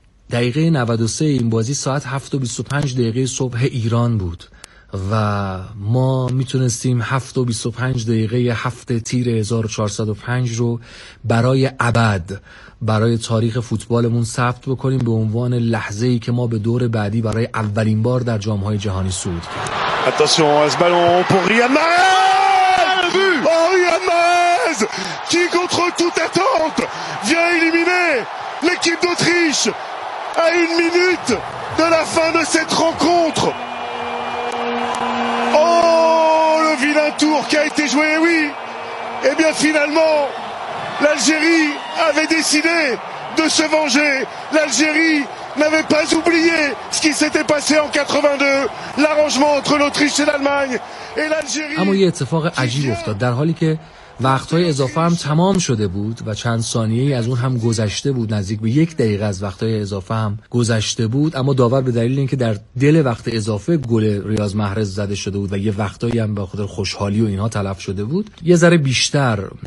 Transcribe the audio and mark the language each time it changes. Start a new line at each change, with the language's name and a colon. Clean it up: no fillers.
Persian: دقیقه 93 این بازی ساعت 7:25 دقیقه صبح ایران بود و ما میتونستیم 7:25 دقیقه 7 تیر 1405 رو برای ابد برای تاریخ فوتبالمون ثبت بکنیم به عنوان لحظه‌ای که ما به دور بعدی برای اولین بار در جام‌های جهانی صعود کردیم.
French: Attention à ce ballon pour Riyad Mahrez. Oh, Riyad Mahrez qui contre toute attente vient éliminer l'équipe d'Autriche à une minute de la fin de cette rencontre. Oh, le vilain tour qui a été joué, oui. Et bien finalement, l'Algérie avait décidé de se venger. L'Algérie n'avait pas oublié ce qui s'était passé en 82, l'arrangement entre l'Autriche et l'Allemagne et l'Algérie.
Persian: اما یه اتفاق عجیب افتاد در حالی که وقتهای اضافه هم تمام شده بود و چند ثانیه از اون هم گذشته بود، نزدیک به یک دقیقه از وقتهای اضافه هم گذشته بود، اما داور به دلیل اینکه در دل وقت اضافه گل ریاض محرز زده شده بود و یه وقتهایی هم به خاطر خوشحالی و اینها تلف شده بود، یه ذره بیشتر